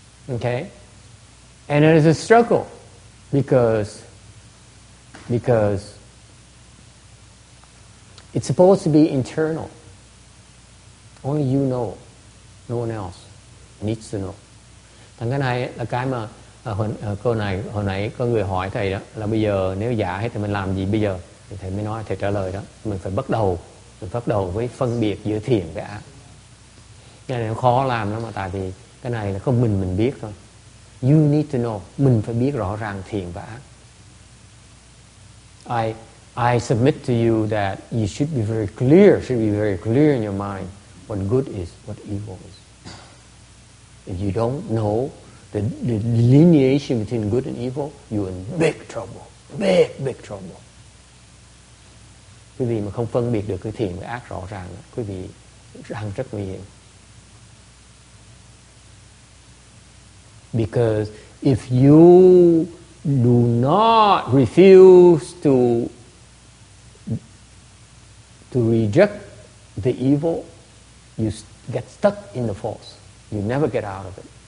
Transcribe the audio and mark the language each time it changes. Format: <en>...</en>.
<en>Okay? And it is a struggle because it's supposed to be internal. Only you know, no one else needs to know.</en> <vi>Thằng cái này là cái mà câu này hồi nãy có người hỏi thầy đó, là bây giờ nếu giả hết thì mình làm gì bây giờ? Thì thầy mới nói, thầy trả lời đó, mình phải bắt đầu với phân biệt giữa thiện với ác. Cái này nó khó làm lắm mà, tại vì cái này là không mình biết thôi.</vi> <en>You need to know.</en> <vi>Mình phải biết rõ ràng thiện và ác.</vi> <en>I submit to you that you should be very clear, in your mind what good is, what evil is. If you don't know the delineation between good and evil, you're in big trouble. Big, big trouble.</en> <vi>Quý vị mà không phân biệt được cái thiện và ác rõ ràng, quý vị đang rất nguy hiểm.</vi> <en>Because if you do not refuse to reject the evil, you get stuck in the false. You never get out of it.</en>